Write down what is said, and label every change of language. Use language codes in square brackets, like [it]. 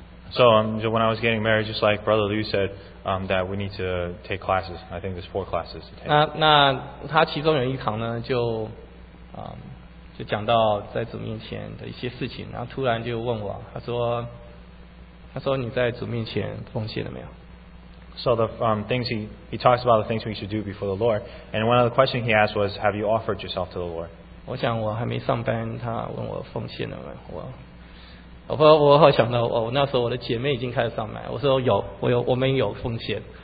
[en] So, so when I was getting married, just like Brother Liu said, that we need to take classes. I think there's four classes to take. [zh] 那他其中有一堂呢，就讲到在主面前的一些事情，然后突然就问我，他说你在主面前奉献了没有？ [en] So the things he talks about the things we should do before the Lord, and one of the questions he asked was, have you offered yourself to the Lord? [zh] 我想我还没上班，他问我奉献了没有？我好想到我那时候我的姐妹已经开始上麦，我说有，我们有奉献。